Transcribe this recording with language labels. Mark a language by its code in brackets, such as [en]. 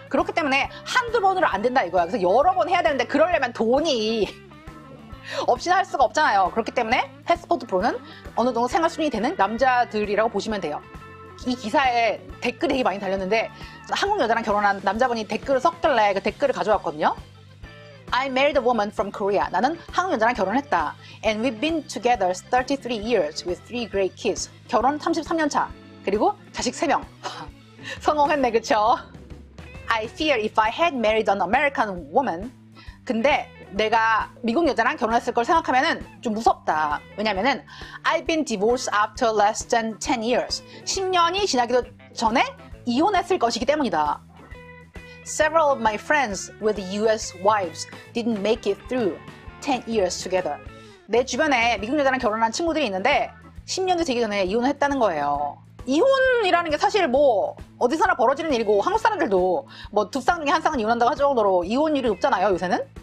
[ko] 그렇기 때문에 한두 번으로 안 된다 이거야. 그래서 여러 번 해야 되는데 그러려면 돈이 없이는 할 수가 없잖아요. 그렇기 때문에 패스포트 프로는 어느 정도 생활 수준이 되는 남자들이라고 보시면 돼요. 이 기사에 댓글이 되게 많이 달렸는데 한국 여자랑 결혼한 남자분이 댓글을 썼길래 그 댓글을 가져왔거든요. [en] I married a woman from Korea. [ko] 나는 한국 여자랑 결혼했다. [en] And we've been together 33 years with 3 great kids. [ko] 결혼 33년 차. 그리고 자식 3명. 성공했네, 그쵸? [en] I fear if I had married an American woman. [ko] 근데 내가 미국 여자랑 결혼했을 걸 생각하면은 좀 무섭다. 왜냐면은 [en] I've been divorced after less than 10 years. [ko] 10년이 지나기도 전에 이혼했을 것이기 때문이다. [en] Several of my friends with US wives didn't make it through 10 years together. [ko] 내 주변에 미국 여자랑 결혼한 친구들이 있는데 10년도 되기 전에 이혼했다는 거예요. 이혼이라는 게 사실 뭐 어디서나 벌어지는 일이고 한국 사람들도 뭐 두 쌍 중에 한 쌍은 이혼한다고 할 정도로 이혼율이 높잖아요, 요새는.